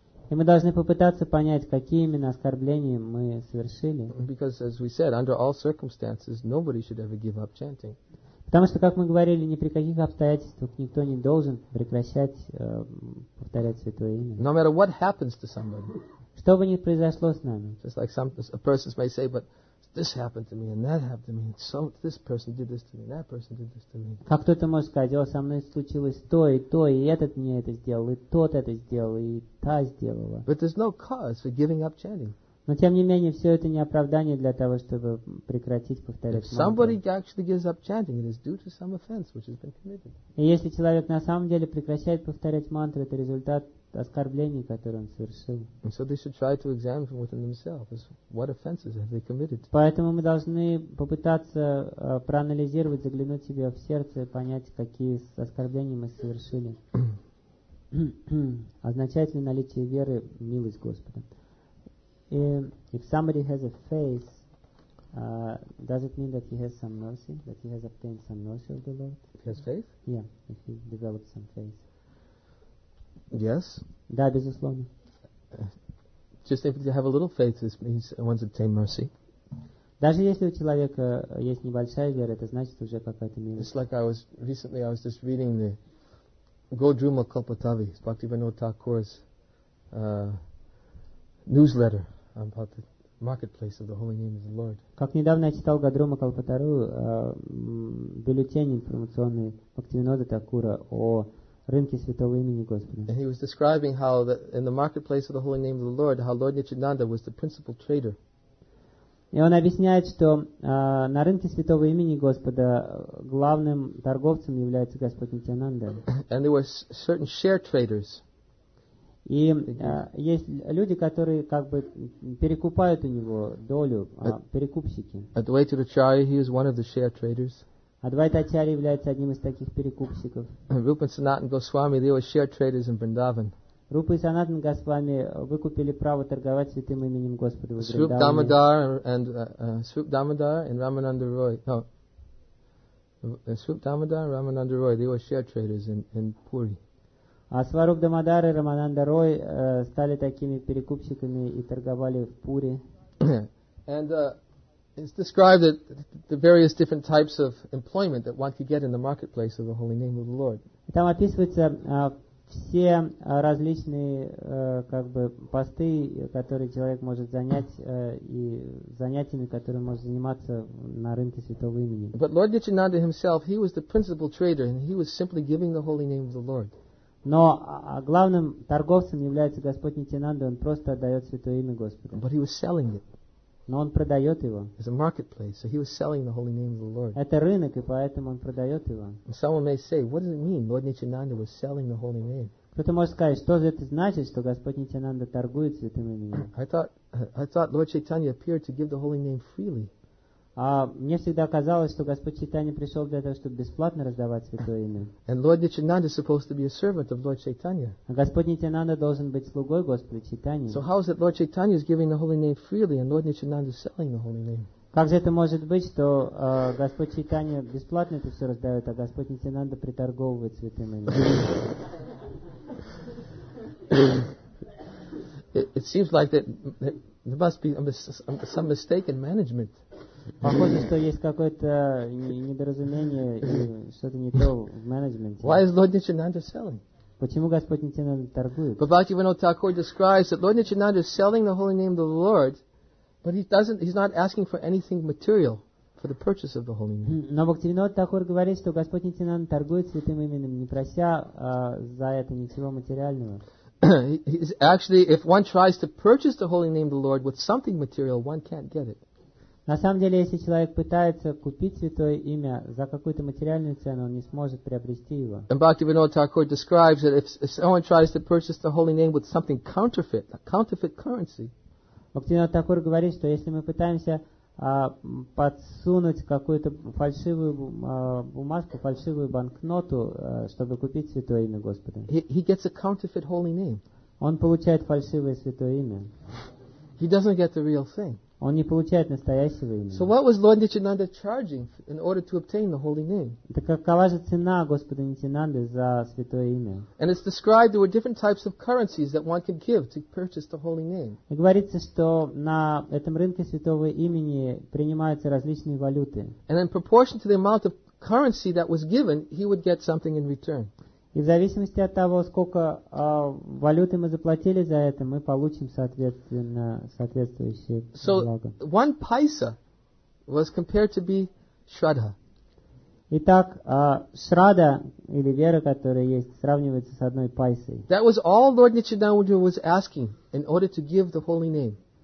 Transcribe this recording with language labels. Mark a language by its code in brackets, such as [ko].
[ru] И мы должны попытаться понять, какие именно оскорбления мы совершили. [en] Because, as we said, under all circumstances, nobody should ever give up chanting. [ru] Потому что, как мы говорили, ни при каких обстоятельствах никто не должен прекращать повторять святое имя. [en] No matter what happens to somebody. [ru] Что бы ни произошло с нами. [en] Just like some persons may say, but this happened to me and that happened to me and so this person did this to me and that person did this to me. [ru] Как кто-то может сказать, со мной случилось то, и этот мне это сделал, и тот это сделал, и та сделала. [en] But there's no cause for giving up chanting. [ru] Но тем не менее, все это не оправдание для того, чтобы прекратить повторять мантру. [en] If somebody actually gives up chanting, it is due to some offense which has been committed. [ru] И если человек на самом деле прекращает повторять мантру, это результат оскорблений, которые он совершил. [en] And so they should try to examine from within themselves what offenses have they committed. [ru] Поэтому мы должны попытаться проанализировать, заглянуть себе в сердце и понять, какие оскорбления мы совершили. Означает ли наличие веры милость Господа? [en] If somebody has a faith, does it mean that he has some mercy, that he has obtained some mercy of the Lord? If he has faith? Yeah, if he develops some faith. Yes. [ru] Да, безусловно. [en] Just if you have a little faith, this means one's obtained mercy. [ru] Даже если у человека есть небольшая вера, это значит уже какая-то милость. [en] It's like I was just reading the Godruma Kalpatavi, Bhaktivinoda Thakur's newsletter about the marketplace of the holy name of the Lord. [ru] Как недавно я читал Годрума Калпатару, бюллетень информационный Бхактивинода Такура о рынке святого имени Господа. [en] And he was describing how that in the marketplace of the holy name of the Lord, how Lord Nityananda was the principal trader. [ru] И он объясняет, что на рынке святого имени Господа главным торговцем является Господь Нитьянанда. [en] And there were certain share traders. [ru] И есть люди, которые как бы перекупают у него долю, перекупщики. [en] Advaita Acharya, he is one of the share traders. [ru] Адвайта Ачарья является одним из таких перекупщиков. [en] Rupa Sanatana Goswami, they were share traders in Vrindavan. [ru] Rupa Sanatana Goswami выкупили право торговать святым именем Господа в Вриндаване. [en] Swarup Damodar and Swarup Damodar and Ramananda Roy. No. Swarup Damodar and Ramananda Roy, they were share traders in Puri. [ru] А Сваруп Дамодар и Рамананда Рой стали такими перекупщиками и торговали в Пури. [en] And it's described that the various different types of employment that one could get in the marketplace of the holy name of the Lord. [ru] Там описываются все различные как бы посты, которые человек может занять и занятиями, которыми может заниматься на рынке святого имени. [en] But Lord Nityananda himself, he was the principal trader, and he was simply giving the holy name of the Lord. [ru] Но главным торговцем является Господь Нитьянанда, он просто отдает святое имя Господу. [en] But he was selling it. [ru] Но он продает его. [en] It's a marketplace, so he was selling the holy name of the Lord. [ru] Это рынок, и поэтому он продает его. [en] And someone may say, what does it mean, Lord Nityananda was selling the holy name? [ru] Кто-то может сказать, что же это значит, что Господь Нитьянанда торгует святым именем? [en] I thought Lord Chaitanya appeared to give the holy name freely. [ru] Мне всегда казалось, что Господь Чайтанья пришел для того, чтобы бесплатно раздавать святое имя. [en] And Lord Nityananda is supposed to be a servant of Lord Chaitanya. [ru] А Господь Нитьянанда должен быть слугой Господа Чайтаньи. [en] So how is it Lord Chaitanya is giving the holy name freely and Lord Nityananda is selling the holy name? [ru] Как же это может быть, что Господь Чайтанья бесплатно это все раздает, а Господь Нитьянанда приторговывает святым именем? [en] It seems like that there must be some mistake in management. [ru] Похоже, что есть какое-то недоразумение и что-то не то в менеджменте. [en] Why is Lord Nityananda selling? [ru] Почему Господь Нитьянанда торгует? [en] But Bhaktivinoda Thakur describes that Lord Nityananda is selling the holy name of the Lord, but he's not asking for anything material for the purchase of the holy name. [ru] Но Бхактивинода Такур говорит, что Господь Нитьянанда торгует святым именем, не прося за это ничего материального. [en] Actually, if one tries to purchase the holy name of the Lord with something material, one can't get it. [ru] На самом деле, если человек пытается купить святое имя за какую-то материальную цену, он не сможет приобрести его. [en] And Bhaktivinoda Thakur describes that if someone tries to purchase the holy name with something counterfeit, a counterfeit currency. [ru] Бхактивинода Такур говорит, что если мы пытаемся подсунуть какую-то фальшивую бумажку, фальшивую банкноту, чтобы купить святое имя Господа. [en] He gets a counterfeit holy name. [ru] Он получает фальшивое святое имя. [en] He doesn't get the real thing. [ru] Он не получает настоящего имени. [en] So what was Lord Nityananda charging in order to obtain the holy name? [ru] Так какова же цена Господа Нитьянанды за святое имя? [en] And it's described there were different types of currencies that one could give to purchase the holy name. [ru] И говорится, что на этом рынке святого имени принимаются различные валюты. [en] And in proportion to the amount of currency that was given, he would get something in return. [ru] И в зависимости от того, сколько валюты мы заплатили за это, мы получим соответственно соответствующие [en] so, [ru] благо. [en] So one paisa was compared to be shraddha. [ru] Итак, шрада или вера, которая есть, сравнивается с одной пайсой. [en] That was all Lord Nityananda was asking in order to give the holy name.